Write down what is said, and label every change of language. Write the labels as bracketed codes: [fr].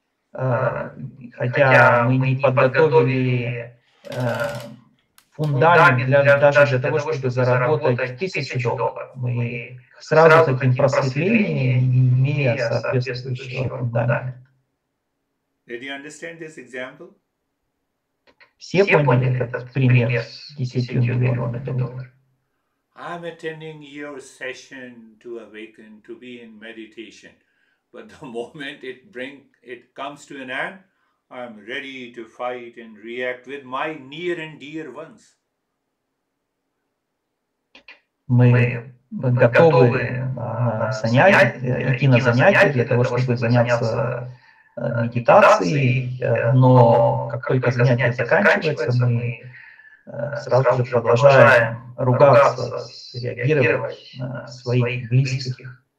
[ru] Хотя мы не подготовили фундамент даже для того, чтобы заработать $1,000. Мы сразу с таким просветлением, не имея соответствующего фундамента. [en] Did you understand this example? [ru] Все поняли этот пример с $10 миллионами? [en] I'm attending your session to awaken, to be in meditation. But the moment it comes to an end, I'm ready to fight and react with my near and dear ones. [ru] Мы готовы идти на занятия для того, чтобы заняться медитацией, но как только занятие заканчивается, мы сразу же продолжаем ругаться, реагировать на своих близких.